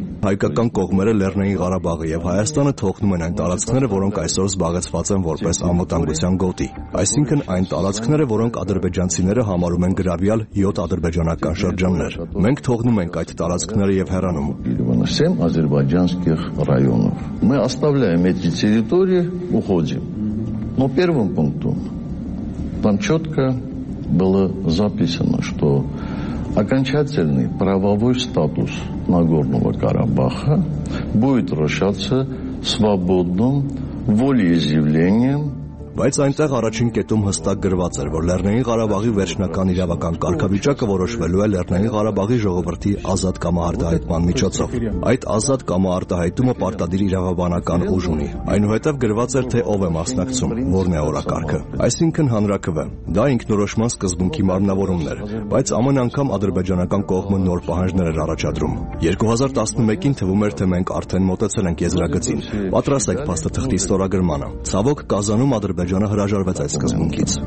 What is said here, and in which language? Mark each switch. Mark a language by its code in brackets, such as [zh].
[hy] հայկական կողմերը Լեռնային Ղարաբաղը եւ Հայաստանը թողնում են այն տարածքները, որոնք այսօր զբաղեցված են որպես անվտանգության գոտի։ Այսինքն այն տարածքները, որոնք ադրբեջանցիները համարում են գրավյալ 7 ադրբեջանական շրջաններ։ Մենք թողնում ենք այդ տարածքները եւ հեռանում։ [ru] Սեմ ադրբեջանսկիх районов. Мы оставляем эти территории, уходим. Но первым пунктом там чётко было записано, что окончательный правовой статус Нагорного Карабаха будет решаться свободным волеизъявлением. [hy] Բայց այնտեղ առաջին կետում հստակ գրված էր, որ Լեռնային Ղարաբաղի վերջնական իրավական կարգավիճակը որոշվելու է Լեռնային Ղարաբաղի ժողովրդի ազատ կամարտահայտման միջոցով։ Այդ ազատ կամարտահայտումը պարտադիր իրավաբանական ուժ ունի։ Այնուհետև գրված էր, թե ով է մասնակցում, որն է օրակարգը, այսինքն հանրաքվը։ Դա ինքնորոշման սկզբունքի մարմնավորումն էր, բայց ամեն անգամ ադրբեջանական կողմը նոր պահանջներ էր առաջադրում։ 2011-ին թվում էր, թե մենք արդեն մոտեցել ենք եզրագծին, պատրաստ ենք փաստաթղթի ստորագրմանը։ Ցավոք, Կազանում Ադրբեջանը հրաժարվեց այս սկզբունքից։